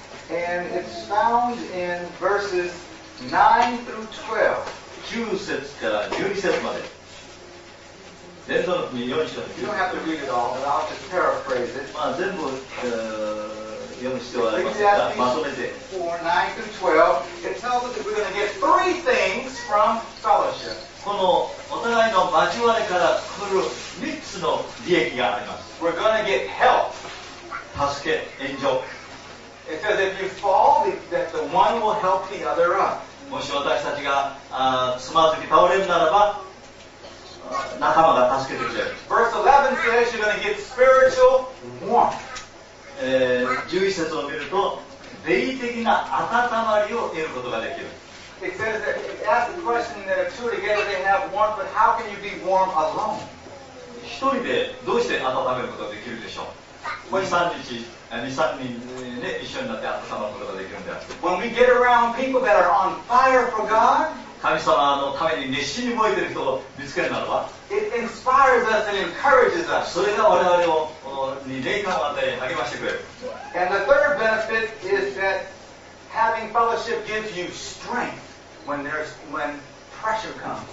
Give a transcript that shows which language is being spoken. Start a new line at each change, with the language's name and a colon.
English: And it's found in verses 9 through 12.
Japanese: 9節から12節まで。
English: You don't have to read it all, but I'll just paraphrase it.
Japanese: まあ全部、読む必要はありませんが、まとめて。
English: 4, 9 through 12, it tells us that we're going to get three things from fellowship.
Japanese: このお互いの交わりから来る3つの利益があります。
English: We're going to get help.
Japanese: 助け、援助。
English: It says if you fall, that the one will help the other up.
Japanese: もし私たちがつまずき倒れるならば、仲間が助けてくれる。
English: Verse 11 says you're going to get spiritual warmth.
Japanese: 11節を見ると、霊的な温まりを得ることができる。
English: It says that it asks the question that if two together they have warmth, but how can you be warm alone?
Japanese: 一人でどうして温めることができるでしょう。2、3日、2、3人ね、一緒になって温まることができるんだ。
English: When we get around people that are on fire for God,
Japanese: 神様のために熱心に燃えている人を見つけるならば、
English: it inspires us and encourages us.
Japanese: それが我々を、に霊感を与え、励ましてくれる。
English: And the third benefit is that having fellowship gives you strength when there's, when pressure comes.